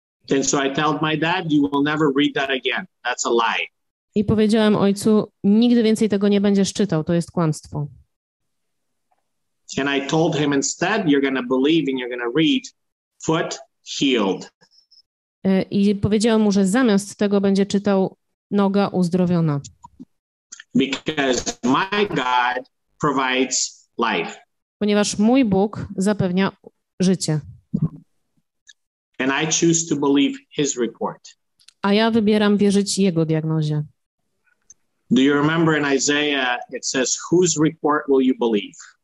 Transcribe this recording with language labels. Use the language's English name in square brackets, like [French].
[English] And so I told my dad, you will never read that again. That's a lie. [Polish] I powiedziałem ojcu, nigdy więcej tego nie będziesz czytał, to jest kłamstwo. [English] And I told him instead, you're going to believe and you're going to read foot healed. [Polish] I powiedziałem mu, że zamiast tego będzie czytał noga uzdrowiona. [English] Because my God provides life. [Polish] Ponieważ mój Bóg zapewnia życie. [English] And I choose to believe his report. [Polish] A ja wybieram wierzyć jego diagnozie. [English] Do you remember in Isaiah it says whose report will you believe?